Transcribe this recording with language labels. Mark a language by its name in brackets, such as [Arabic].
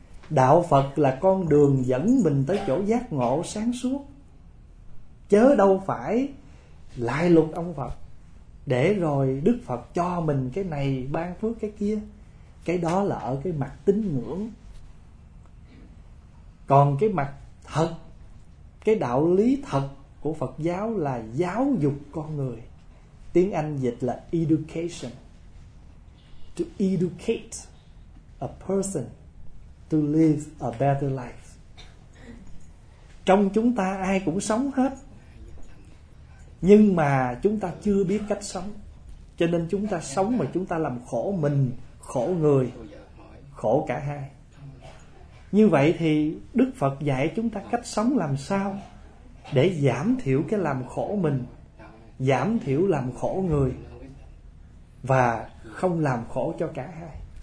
[Vietnamese] Đạo Phật là con đường dẫn mình tới chỗ giác ngộ sáng suốt, chớ đâu phải lại lục ông Phật để rồi Đức Phật cho mình cái này ban phước cái kia. Cái đó là ở cái mặt tín ngưỡng. Còn cái mặt thật, cái đạo lý thật của Phật giáo là giáo dục con người. Tiếng Anh dịch là education. [English] To educate a person to live a better life. [Vietnamese] Trong chúng ta ai cũng sống hết, nhưng mà chúng ta chưa biết cách sống. Cho nên chúng ta sống mà chúng ta làm khổ mình, khổ người, khổ cả hai. Như vậy thì Đức Phật dạy chúng ta cách sống làm sao để giảm thiểu cái làm khổ mình, giảm thiểu làm khổ người, và không làm khổ cho cả hai.